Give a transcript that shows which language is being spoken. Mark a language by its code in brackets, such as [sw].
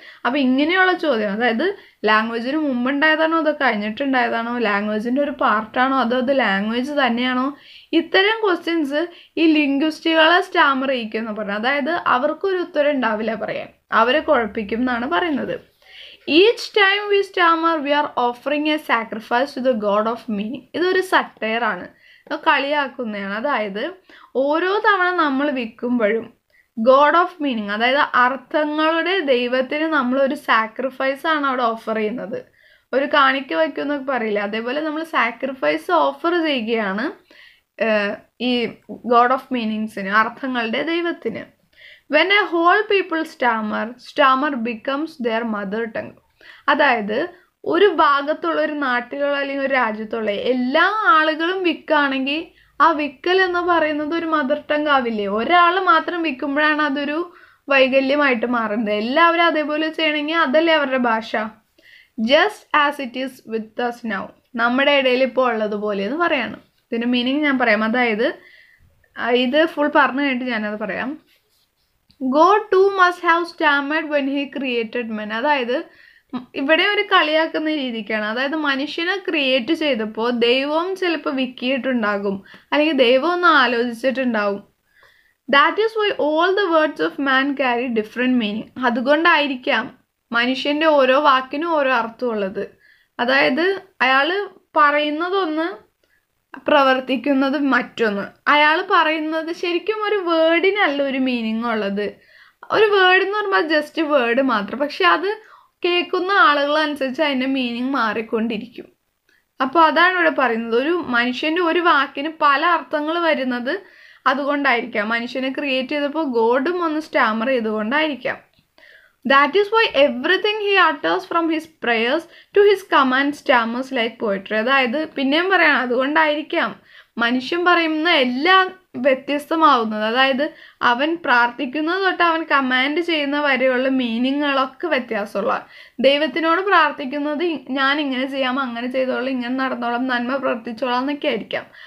[ml] അപ്പോൾ ഇങ്ങനെയുള്ള ചോദ്യം, അതായത് ലാംഗ്വേജിന് മുമ്പുണ്ടായതാണോ അതോ കഴിഞ്ഞിട്ടുണ്ടായതാണോ, ലാംഗ്വേജിൻ്റെ ഒരു പാർട്ടാണോ അതോ അത് ലാംഗ്വേജ് തന്നെയാണോ, ഇത്തരം ക്വസ്റ്റ്യൻസ് ഈ ലിംഗ്വിസ്റ്റുകളെ സ്റ്റാമർ ഇരിക്കുമെന്ന് പറഞ്ഞു. അതായത് അവർക്കൊരു ഉത്തരം ഉണ്ടാവില്ല പറയാൻ, അവരെ കുഴപ്പിക്കും എന്നാണ് പറയുന്നത്. [en] Each time we stammer, we are offering a sacrifice to the God of meaning. [ml] ഇതൊരു സട്ടയർ ആണ്, കളിയാക്കുന്നതാണ്. അതായത് ഓരോ തവണ നമ്മൾ വിൽക്കുമ്പോഴും ഗോഡ് ഓഫ് മീനിങ്, അതായത് അർത്ഥങ്ങളുടെ ദൈവത്തിന് നമ്മളൊരു സാക്രിഫൈസ് ആണ് അവിടെ ഓഫർ ചെയ്യുന്നത്. ഒരു കാണിക്ക വയ്ക്കുമെന്നൊക്കെ പറയില്ല, അതേപോലെ നമ്മൾ സാക്രിഫൈസ് ഓഫർ ചെയ്യുകയാണ് ഈ ഗോഡ് ഓഫ് മീനിങ്സിന്, അർത്ഥങ്ങളുടെ ദൈവത്തിന്. [en] When a whole people stammer, stammer becomes their mother tongue. [ml] അതായത് ഒരു ഭാഗത്തുള്ള, ഒരു നാട്ടിലുള്ള അല്ലെങ്കിൽ ഒരു രാജ്യത്തുള്ള എല്ലാ ആളുകളും വിക്കാണെങ്കിൽ ആ വിക്കൽ എന്ന് പറയുന്നത് ഒരു മദർ ടങ് ആവില്ലേ? ഒരാൾ മാത്രം വിൽക്കുമ്പോഴാണ് അതൊരു വൈകല്യമായിട്ട് മാറുന്നത്. എല്ലാവരും അതേപോലെ ചെയ്യണമെങ്കിൽ അതല്ലേ അവരുടെ ഭാഷ? [en] Just as it is with us now. [ml] നമ്മുടെ ഇടയിൽ ഇപ്പോൾ ഉള്ളതുപോലെ എന്ന് പറയാണ്. ഇതിന് മീനിങ് ഞാൻ പറയാം. അതായത് ഇത് ഫുൾ പറഞ്ഞു കഴിഞ്ഞിട്ട് ഞാനത് പറയാം. [en] God too must have stammered when he created man. [ml] അതായത് ഇവിടെ ഒരു കളിയാക്കുന്ന രീതിക്കാണ്. അതായത് മനുഷ്യനെ ക്രിയേറ്റ് ചെയ്തപ്പോൾ ദൈവം ചിലപ്പോൾ വിക്കിയിട്ടുണ്ടാകും, അല്ലെങ്കിൽ ദൈവം ഒന്ന് ആലോചിച്ചിട്ടുണ്ടാകും. [en] That is why all the words of man carry different meaning. [ml] അതുകൊണ്ടായിരിക്കാം മനുഷ്യൻ്റെ ഓരോ വാക്കിനും ഓരോ അർത്ഥമുള്ളത്. അതായത് അയാൾ പറയുന്നതൊന്ന്, പ്രവർത്തിക്കുന്നത് മറ്റൊന്ന്. അയാൾ പറയുന്നത് ശരിക്കും ഒരു വേർഡിനല്ല ഒരു മീനിങ് ഉള്ളത്. ഒരു വേർഡ് എന്ന് പറയുമ്പോൾ ജസ്റ്റ് വേർഡ് മാത്രം, പക്ഷെ അത് കേൾക്കുന്ന ആളുകളനുസരിച്ച് അതിൻ്റെ മീനിങ് മാറിക്കൊണ്ടിരിക്കും. അപ്പോൾ അതാണ് ഇവിടെ പറയുന്നത്. ഒരു മനുഷ്യൻ്റെ ഒരു വാക്കിന് പല അർത്ഥങ്ങൾ വരുന്നത് അതുകൊണ്ടായിരിക്കാം. മനുഷ്യനെ ക്രിയേറ്റ് ചെയ്തപ്പോൾ ഗോഡും ഒന്ന് Starmer ചെയ്തുകൊണ്ടായിരിക്കാം. [en] That is why everything he utters from his prayers to his commands stammers like poetry. [ml] അതായത് പിന്നെയും പറയണം, അതുകൊണ്ടായിരിക്കാം മനുഷ്യൻ പറയുന്ന എല്ലാം വ്യത്യസ്തമാവുന്നത്. അതായത് അവൻ പ്രാർത്ഥിക്കുന്നത് തൊട്ട് അവൻ കമാൻഡ് ചെയ്യുന്ന വരെയുള്ള മീനിങ്ങുകളൊക്കെ വ്യത്യാസമുള്ള. ദൈവത്തിനോട് പ്രാർത്ഥിക്കുന്നത് ഞാൻ ഇങ്ങനെ ചെയ്യാം, അങ്ങനെ ചെയ്തോളാം, ഇങ്ങനെ നടന്നോളാം, നന്മ പ്രവർത്തിച്ചോളാം എന്നൊക്കെ ആയിരിക്കാം.